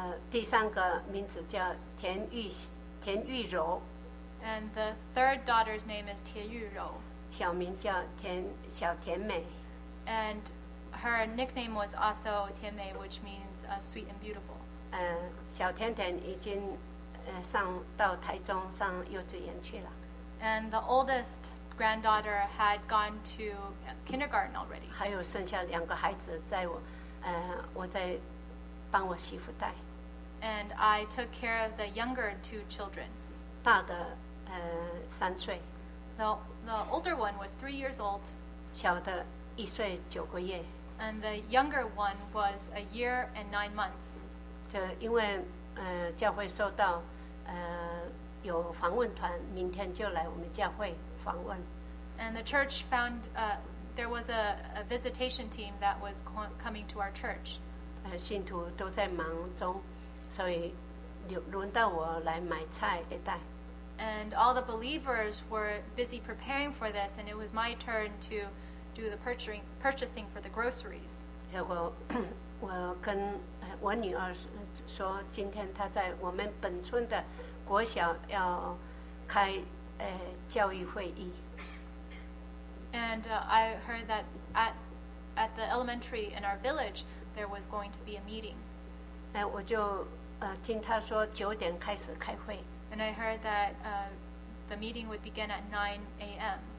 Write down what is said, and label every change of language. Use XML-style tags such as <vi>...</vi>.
<zh>第三个名字叫田玉柔。</zh> <en>And the third daughter's name is 田玉柔。</en> <zh>小名叫小甜美。</zh> <en>And her nickname was also 甜美 which means sweet and beautiful.</en> <zh>小甜甜已经上到台中上幼稚园去了。</zh> <en>And the oldest granddaughter had gone to kindergarten already.</en> <zh>还有剩下两个孩子在我，我在帮我媳妇带。</zh> <en>And I took care of the younger two children.</en> <zh>大的，三岁。</zh> <en>The older one was 3 years old.</en> <zh>小的一岁九个月。</zh> <en>And the younger one was 1 year and 9 months.</en> <zh>这因为，教会收到，有访问团，明天就来我们教会。</zh> <en>And the church found there was a visitation team that was coming to our church.</en> <zh>信徒都在忙中，所以轮到我来买菜给带。</zh> <en>And all the believers were busy preparing for this, and it was my turn to do the purchasing for the groceries.</en> <zh>结果我跟我女儿说，今天她在我们本村的国小要开。教育会议。</zh> <en>And I heard that at the elementary in our village, there was going to be a meeting.</en> <zh>我就听他说九点开始开会。</zh> <en>And I heard that the meeting would begin at 9 a.m.</en>